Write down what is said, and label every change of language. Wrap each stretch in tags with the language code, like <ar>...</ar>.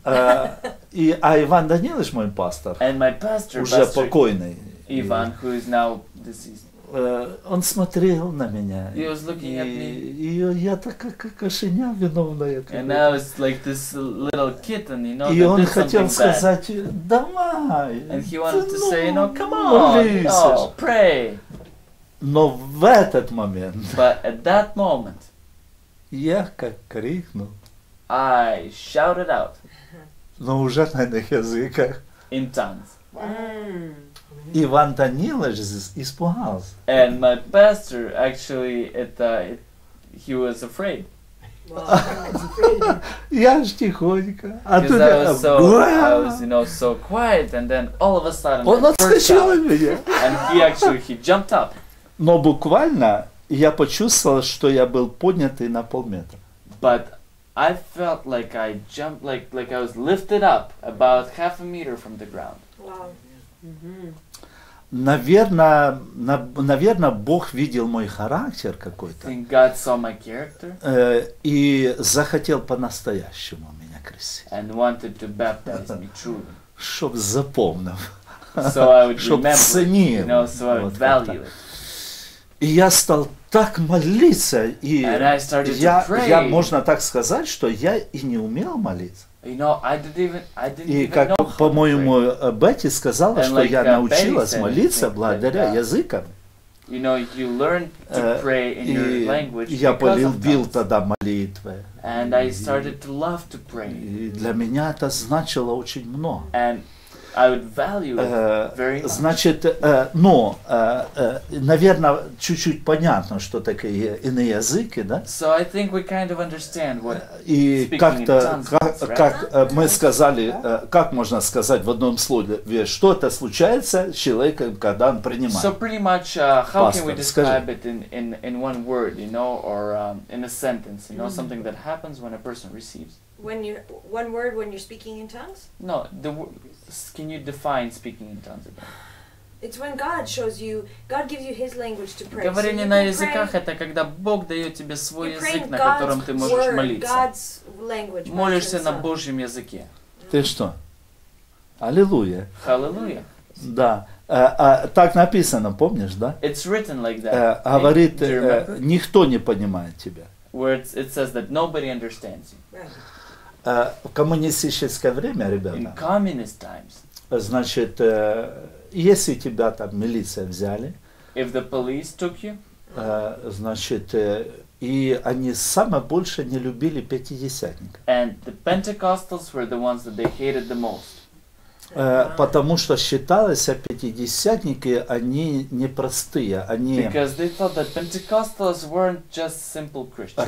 <ru>А Иван Данилович, мой пастор, уже покойный.</ru> <en>Иван, who is now deceased.</en> <ru>Он смотрел на меня.</ru> <en>He was looking at me.</en> <ru>И я такая как ошеня виновная.</ru> <en>And I was like this little kitten, you know,</en> <ru>и он хотел сказать: "Давай". And he wanted to say, "No, come on. Молись".</ru> <en>Oh, pray.</en> <ru>Но в этот момент.</ru> <en>But at that moment.</en> <ru>Я как крикнул.</ru> <en>I shouted out.</en> <ru>Но уже на иных языках.</ru> <en>In tongues.</en> <ru>Іван Данилович испугался.</ru> <en>And my pastor actually he was afraid.</en> <ru>Я ж тихонько. А тут</ru> <en>I was, you know, so quiet, and then all of a sudden</en> <ru>он отскочил от меня.</ru> <en>And he jumped up.</en> <ru>Но буквально я почувствовал, что я был поднятый на полметра.</ru> <en>But I felt like I jumped like I was lifted up about half a meter from the ground.</en> <ru>Наверное, Бог видел мой характер какой-то.</ru> <en>Think God saw my character.</en> <ru>И захотел по-настоящему меня крестить.</ru> <en>And wanted to baptize me truly.</en> <ru>Чтоб запомнил.</ru> <en>So I would remember.</en> <ru>Ценил,</ru> <en>you know, so I would value it.</en> <ru>И я стал так молиться, и я можно так сказать, что я и не умел молиться.</ru> <en>You know, I didn't even</en> <ru>как, по-моему, Бетти сказала, and что like, я научилась молиться благодаря языкам.</ru> <en>You know, you learn to pray in your language.</en> <ru>Я полюбил тогда молитвы.</ru> <en>And I started to love to pray.</en> <ru>И для меня это значило очень много.</ru> <en>And I would value it very much.</en> <ru>Значит, но, наверное, чуть-чуть понятно, что такие иные языки, да?</ru> <en>So I think we kind of understand what и speaking in tongues is, right?</en> <ru>Как мы сказали, как можно сказать в одном слове, что это случается с человеком, когда он принимает?</ru> <en>So pretty much, how Pastor, can we describe</en> <ru>скажи.</ru> <en>It in one word, you know, or in a sentence, you know, mm-hmm. something that happens when a person receives? When you one word when you're speaking in tongues? No, the can you define speaking in tongues again? It's when God shows you, God gives you His language to pray.</en> <ru>Говорение на языках — это когда Бог дает тебе свой язык, на котором ты можешь молиться.</ru> <en>God's language.</en> <ru>Молишься на Божьем языке. Ты что? Аллилуйя. Аллилуйя. Да. Так написано, помнишь, да?</ru> <en>It's written like that.</en> <ru>Говорит, никто не понимает тебя.</ru> <en>Where it says that nobody understands you.</en> <ru>В коммунистическое время, ребята,</ru> <en>in communist times,</en> <ru>значит, если тебя там милиция взяли,</ru> <en>if the police took you,</en> <ru>значит, и они самое больше не любили пятидесятника.</ru> <en>And the Pentecostals were the ones that they hated the most.</en> <ru>Потому что считалось, пятидесятники, они непростые, они</ru> <en>because they thought that Pentecostals weren't just simple Christians.</en>